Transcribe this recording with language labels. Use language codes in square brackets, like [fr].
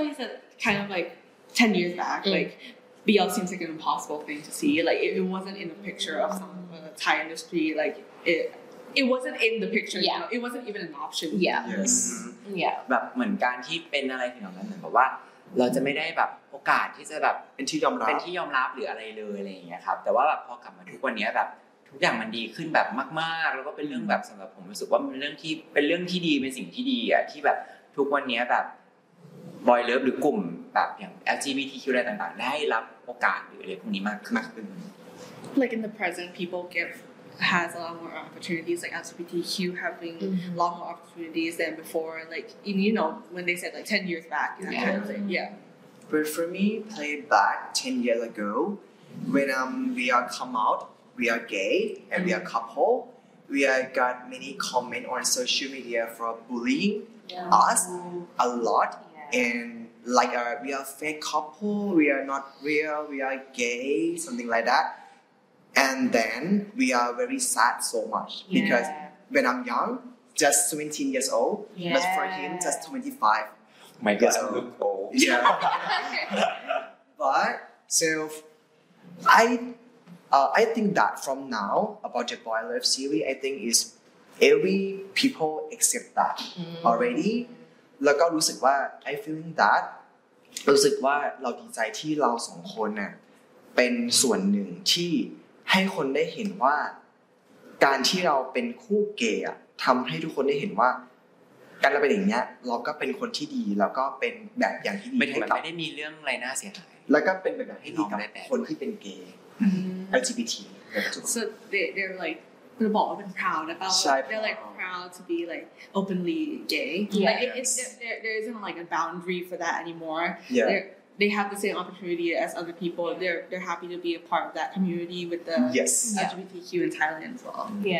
[en] you said kind of like 10 years back, like BL seems like an impossible thing to see. Like it wasn't in the picture of some of the Thai industry. Like it wasn't in the picture. Yeah. You know? It wasn't even an option. Yeah. Yes. Mm-hmm. Yeah. [th] แบบเหมือนการที่เป็นอะไรที่เราเหมือนแบบว่าเราจะไม่ได้แบบโอกาสที่จะแบบ เป็นที่ยอมรับ เป็นที่ยอมรับหรืออะไรเลยอะไรอย่างเงี้ยครับแต่ว่าแบบพอกลับมาทุกวันนี้แบบทุกอย่างมันดีขึ้นแบบมากๆแล้วก็เป็นเรื่องแบบสําหรับผมรู้สึกว่ามันเป็นเรื่องที่ดีเป็นสิ่งที่ดีอ่ะที่แบบทุกวันนี้แบบบอยเลิฟหรือกลุ่มแบบอย่าง LGBTQ อะไรต่างๆได้รับโอกาสหรืออะไรพวกนี้มากขึ้น [en] like in the present people get has a lot more opportunities like LGBTQ having a lot more opportunities than before like even you know when they said like 10 years back you know, yeah. Kind of thing. Yeah but for me play back 10 years ago when we are come out we are gay and we are couple we are got many comment on social media for bullying us a lot and like we are fake couple we are not real we are gay something like that and then we are very sad so much because when I'm young just 17 years old but for him just 25 my god so, look old yeah but so I think that from now about the boy love series I think is every people accept that already [th] แล้วก็รู้สึกว่า [en] I feeling that [th] รู้สึกว่าเราดีใจที่เราสองคนเนี่ยเป็นส่วนหนึ่งที่ให้คนได้เห็นว่า การที่เราเป็นคู่เกย์ทำให้ทุกคนได้เห็นว่าการเราเป็นอย่างเนี้ยเราก็เป็นคนที่ดีแล้วก็เป็นแบบอย่างที่ดี ให้กับไม่ได้มีเรื่องอะไรน่าเสียหาย แล้วก็เป็นแบบให้ดีกับคนที่เป็นเกย์ LGBT [en] so they're likeThey're all been proud about. They're like proud to be like openly gay. There isn't like a boundary for that anymore. They have the same opportunity as other people. They're happy to be a part of that community with the LGBTQ in Thailand as well.